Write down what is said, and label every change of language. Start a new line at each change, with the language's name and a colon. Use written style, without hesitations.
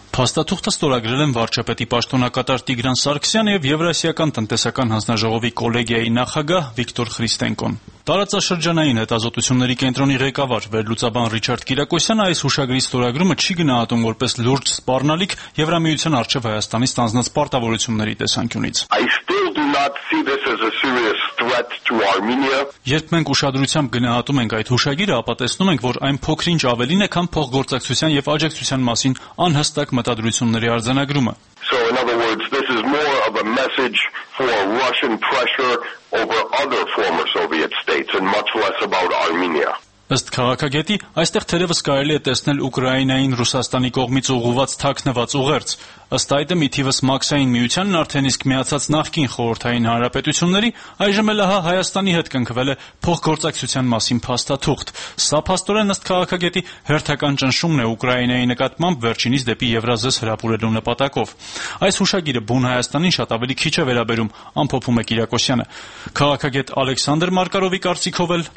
Armenian: Փաստաթուղթը ստորագրել են վարչապետի պաշտոնակատար Տիգրան Սարգսյանը և Եվրասիական տնտեսական հանձնաժողովի կոլեգիայի նախագահ Վիկտոր Քրիստենկոն։ Տարածաշրջանային հետազոտությունների կենտրոնի ղեկավար վերլուծաբան Ռիչարդ Կիրակոսյանը այս հուշագրի ստորագրումը չի գնահատում որպես լուրջ սպառնալիք Եվրամիության առջև Հայաստանի ստանձնած պարտավորությունների տեսանկյունից։ Երբ մենք ուշադրությամբ գնահատում ենք այդ հուշագիրը, ապա տեսնում ենք, որ այն փոքրինչ ավելին է, քան փոխգործակցության և աջակցության մասին անհստակ մտադրությունների արձանագրումը։
English: So in other words, this is more of a message for Russian pressure over other former Soviet states and much less about Armenia.
Armenian: Ըստ քաղաքագետի, այստեղ թերևս կարելի է տեսնել Ուկրաինային Ռուսաստանի կողմից ուղղված թաքնված ուղերձ։ Ըստ այդ մի թիվս Մաքսային միությանն արդեն իսկ միացած նախկին խորհրդային հանրապետությունների, այժմ էլ ահա Հայաստանի հետ կնքվել է փոխգործակցության մասին փաստաթուղթ։ Սա փաստորեն ըստ քաղաքագետի հերթական ճնշումն է Ուկրաինայի նկատմամբ վերջինիս դեպի Եվրազես հրապուրելու նպատակով։ Այս հուշագիրը բուն Հայաստանին շատ ավելի քիչ է վերաբերում, ամփոփում է Կիրակոսյանը։ Քաղաքագետ Ալեքսանդր Մարկարովի կարծիքով էլ